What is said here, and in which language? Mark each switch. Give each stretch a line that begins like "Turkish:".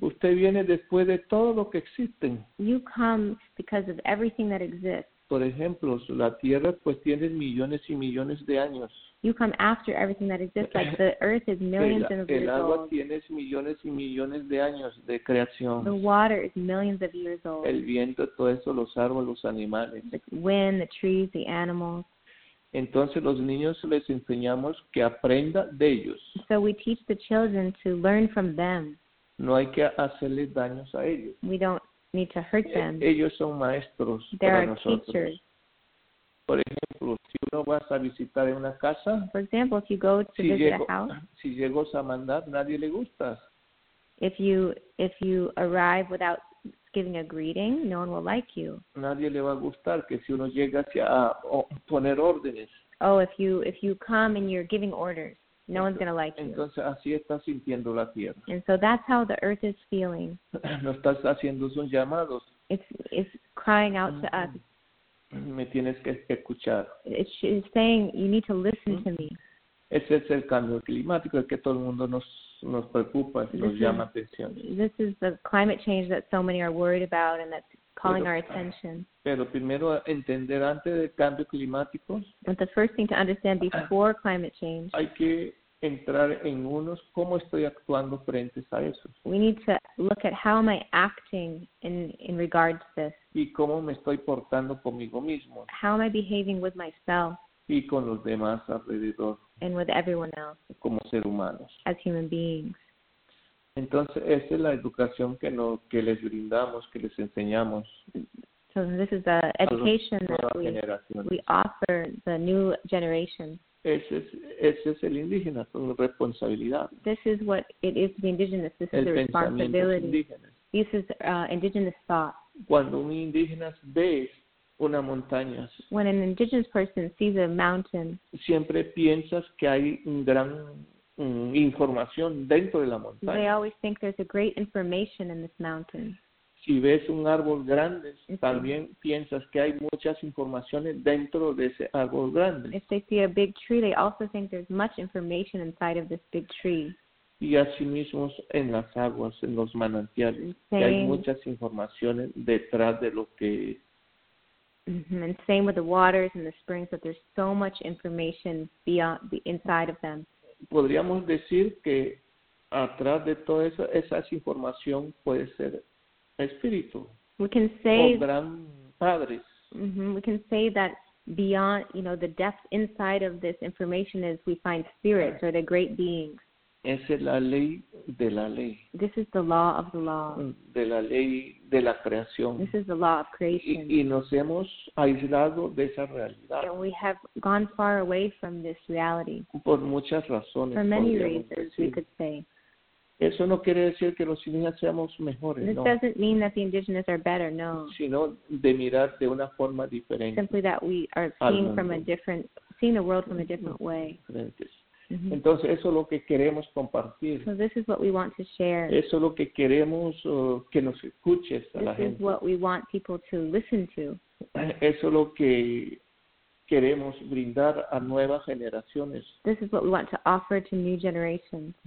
Spanish: usted viene después de todo lo que existe.
English: You come because of everything that exists.
Spanish: Por ejemplo, la tierra pues tiene millones y millones de años.
English: You come after everything that exists, like the earth is millions and millions of years old.
Spanish: El agua tiene millones y millones de años de creación.
English: The water is millions of years old.
Spanish: El viento, todo eso, los árboles, los animales.
English: The wind, the trees, the animals.
Spanish: Entonces los niños les enseñamos que aprenda de ellos.
English: So we teach the children to learn from them.
Spanish: No hay que hacerles daños a ellos.
English: We don't need to hurt them.
Spanish: Ellos son maestros para nosotros.
English: They are teachers.
Spanish: Por ejemplo, si uno vas a visitar una casa,
English: for example, if you go to visit a house,
Spanish: si llegas a mandar, nadie le gusta.
English: If you arrive without giving a greeting, no one will like you.
Spanish: Nadie le va a gustar que si uno llega a poner órdenes.
English: Oh, if you come and you're giving orders, no one's going to like you.
Spanish: Entonces, así está sintiendo la tierra.
English: And so that's how the earth is feeling.
Spanish: No estás haciendo sus llamados.
English: It's crying out to us.
Spanish: Me tienes que escuchar.
English: It's saying, you need to listen to me.
Spanish: Ese es el cambio climático, el que todo el mundo nos preocupa y nos llama atención.
English: This is the climate change that so many are worried about and that's calling our attention.
Spanish: Pero primero entender antes del cambio climático.
English: But the first thing to understand before climate change.
Spanish: Hay que entrar en unos cómo estoy actuando frente a eso.
English: We need to look at how am I acting in regards to this.
Spanish: Y cómo me estoy portando conmigo mismo.
English: How am I behaving with myself?
Spanish: y con los demás alrededor,
English: and with everyone else,
Spanish: como ser humanos,
English: as human beings.
Spanish: Entonces, esa es la educación que, no, que les brindamos, que les enseñamos.
English: So this is the education that we offer the new generation.
Spanish: Ese es el indígena, su responsabilidad.
English: This is what it is to be indigenous. This
Spanish: el
English: is the responsibility. This is indigenous thought.
Spanish: Cuando un indígena ve una montaña,
English: when an indigenous person sees a mountain,
Spanish: siempre piensas que hay un gran información dentro de la montaña.
English: They always think there's a great information in this mountain.
Spanish: Si ves un árbol grande, también piensas que hay muchas informaciones dentro de ese árbol grande.
English: If they see a big tree, they also think there's much information inside of this big tree.
Spanish: Y asimismo en las aguas, en los manantiales, que hay muchas informaciones detrás de lo que es.
English: And same with the waters and the springs, that there's so much information beyond the inside of them.
Spanish: Podríamos decir que atrás de todo eso, esa información puede ser espíritu,
English: we can say,
Spanish: o gran padre.
English: We can say that beyond, you know, the depth inside of this information is we find spirits or the great beings.
Spanish: Esa es la ley de la ley.
English: This is the law of the law.
Spanish: De la ley de la creación.
English: This is the law of creation.
Spanish: Y nos hemos aislado de esa realidad.
English: And we have gone far away from this reality.
Spanish: Por muchas razones.
English: For many reasons,
Spanish: decir.
English: We could say.
Spanish: Eso no quiere decir que los indígenas seamos mejores,
English: this
Spanish: no.
English: This doesn't mean that the indigenous are better, no.
Spanish: Sino de mirar de una forma diferente.
English: Simply that we are seeing from a different, seeing the world from a different way.
Spanish: Mm-hmm. Entonces, eso es lo que queremos compartir.
English: So this is what we want to share.
Spanish: Eso es lo que queremos que nos escuches a la gente.
English: This is what we want people to listen to.
Spanish: Eso es lo que queremos brindar a nuevas generaciones.
English: This is what we want to offer to new generations.